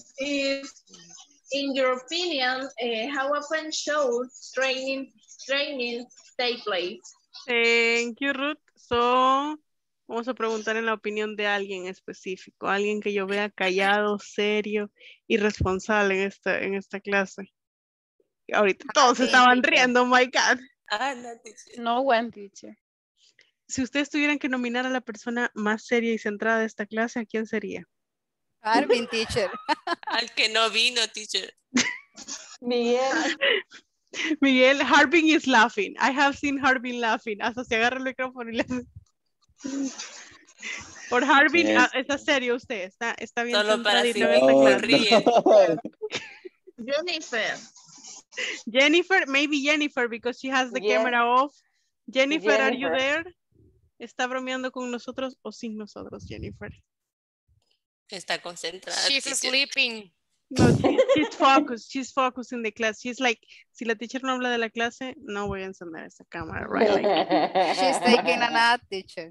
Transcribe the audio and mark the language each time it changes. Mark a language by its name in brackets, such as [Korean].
[English] If, in your opinion, how often shows training take place? Thank you, Ruth. [Spanish] So, vamos a preguntar en la opinión de alguien específico, alguien que yo vea callado, serio y responsable en esta clase. Y ahorita todos estaban riendo, [English] oh my God. No one, teacher. [Spanish] Si ustedes tuvieran que nominar a la persona más seria y centrada de esta clase, ¿a quién sería? [English] Armin, teacher. [Spanish] Al que no vino, teacher. Miguel. [English] Miguel, Harbin is laughing. I have seen Harbin laughing. [Spanish] Hasta se agarra el micrófono y le hace. Por Harbin, ¿está serio usted? Está bien. Solo para si no, no. [English] Jennifer, maybe Jennifer, because she has the camera off. Jennifer, are you there? [Spanish] ¿Está bromeando con nosotros o sin nosotros, Jennifer? Está concentrada. [English] She's sleeping. No, she's focused. She's focused in the class. She's like, [Spanish] si la teacher no habla de la clase, no voy a encender esa cámara, [English] right? Like, she's taking a nap, teacher.